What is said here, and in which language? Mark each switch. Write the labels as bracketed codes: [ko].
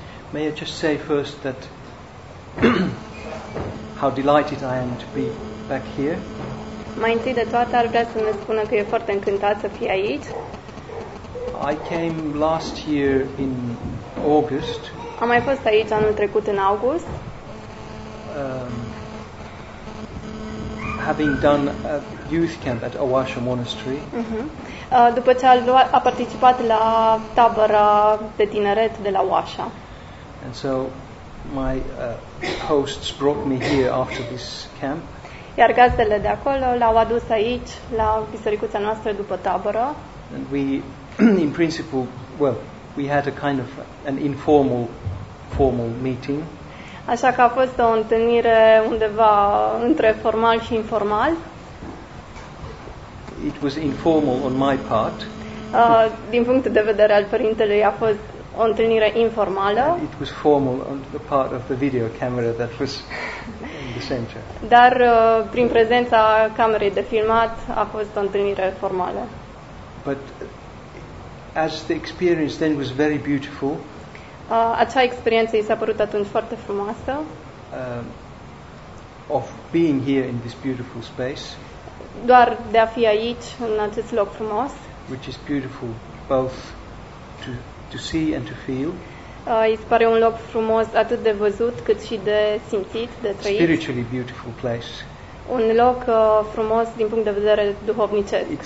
[en] May I just say first that how delighted I am to be back here. [ro] Mai întâi de toate ar vrea să ne spună că e foarte încântat să fie aici. [en] I came last year in August. [ro] Am mai fost aici anul trecut în august. [en] Having done a youth camp at Awasha Monastery. [ro] După ce a participat la tabăra de tineret de la Awasha. [en] And so my hosts brought me here after this camp. [ro] Iar gazdele de acolo l-au adus aici la bisericuța noastră după tabără. [en] And we in principle, well, we had a kind of an informal formal meeting. [ro] Așa că a fost o întâlnire undeva între formal și informal. [en] It was informal on my part. [ro] Din punctul de vedere al părintelui a fost o întâlnire informală. [en] It was formal on the part of the video camera that was in the center. [ro] Dar prin prezența camerei de filmat a fost o întâlnire formală. [en] But as the experience then was very beautiful. [ro] Acea experiență i s-a părut atunci foarte frumoasă. [en] Of being here in this beautiful space. [ro] Doar de a fi aici în acest loc frumos. [en] Which is beautiful both to see and to feel. [ro] Îi pare un loc frumos atât de văzut cât și de simțit, de trăit. [en] Spiritually beautiful place. [ro] Un loc frumos din punct de vedere duhovnicesc.